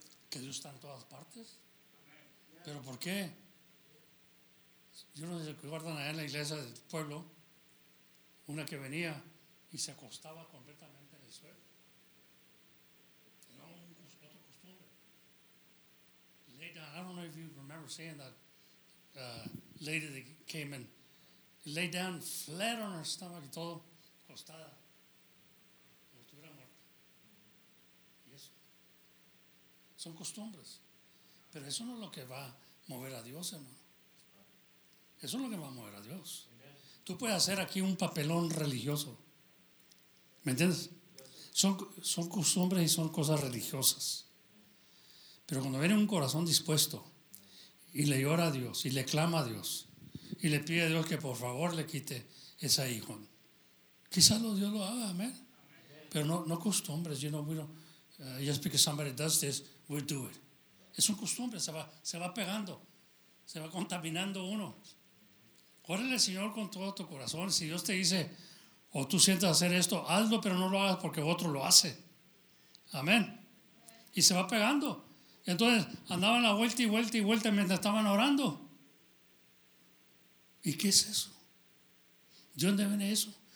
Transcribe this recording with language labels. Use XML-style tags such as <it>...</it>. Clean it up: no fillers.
<es>¿Que Dios está en todas partes? ¿Pero por qué? Yo no sé, guardan allá en la iglesia del pueblo una que venía y se acostaba completamente en el suelo. Era otra costumbre.</es> <en>Lay down. I don't know if you remember saying that lady that came in. Lay down flat on her stomach</en> <es>y todo, acostada. Como estuviera muerta. Y eso. Son costumbres. Pero eso no es lo que va mover a Dios, hermano. Eso es lo que va a mover a Dios. Tú puedes hacer aquí un papelón religioso. ¿Me entiendes? Son costumbres y son cosas religiosas. Pero cuando viene un corazón dispuesto y le llora a Dios y le clama a Dios y le pide a Dios que por favor le quite ese hijo, quizás Dios lo haga, amén. Pero no costumbres,</es> <en>you know, just because somebody does this, we'll do it.</en> <es>Es una costumbre, se va pegando, se va contaminando uno. Órale al Señor con todo tu corazón. Si Dios te dice, o tú sientes hacer esto, hazlo, pero no lo hagas porque otro lo hace. Amén. Y se va pegando. Y entonces andaban la vuelta y vuelta y vuelta mientras estaban orando. ¿Y qué es eso? ¿De dónde viene eso?</es>